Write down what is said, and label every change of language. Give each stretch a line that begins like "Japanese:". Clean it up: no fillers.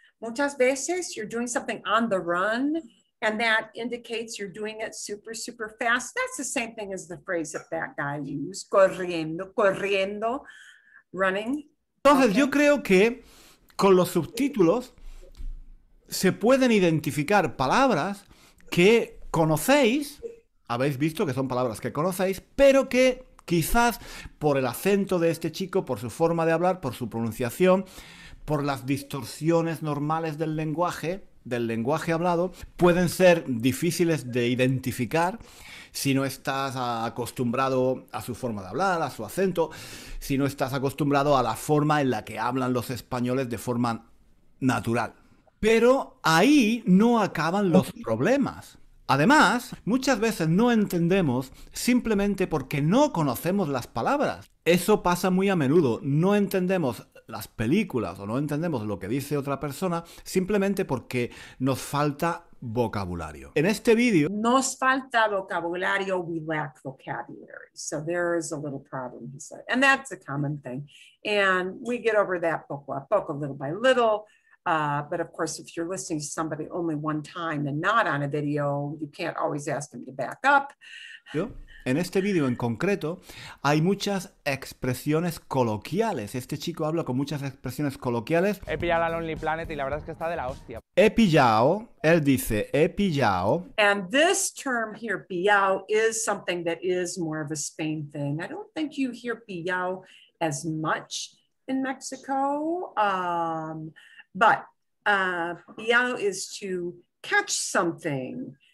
Spanish: Muchas veces,
English: you're doing something on the run. And that indicates you're doing it super, super fast. That's the same thing as the phrase that guy used.
Spanish: Corriendo, corriendo, running. Entonces, okay. Yo creo que con los subtítulos se pueden identificar palabras que conocéis. Habéis visto que son palabras que conocéis, pero que quizás por el acento de este chico, por su forma de hablar, por su pronunciación, por las distorsiones normales del lenguaje hablado, pueden ser difíciles de identificar si no estás acostumbrado a su forma de hablar, a su acento, si no estás acostumbrado a la forma en la que hablan los españoles de forma natural. Pero ahí no acaban los problemas. Además, muchas veces no entendemos simplemente porque no conocemos las palabras. Eso pasa muy a menudo. No entendemos las películas o no entendemos lo que dice otra persona simplemente porque nos falta vocabulario. En este vídeo... Nos falta vocabulario.
English: We lack vocabulary. So there is a little problem, he said. And that's a common thing. And we get over that
Spanish: poco a poco,
English: little by little. But of course, if you're listening to somebody only one time and not on a video, you can't always ask them to back up.
Spanish: ¿Yo? En este vídeo en concreto, hay muchas expresiones coloquiales. Este chico habla con muchas expresiones coloquiales. He pillado la Lonely Planet y la verdad es que está de la hostia. He pillado, él dice, he pillado.
English: And this term here, pillado, is something that is more of a Spain thing. I don't think you hear pillado as much in Mexico. But pillado is to catch something.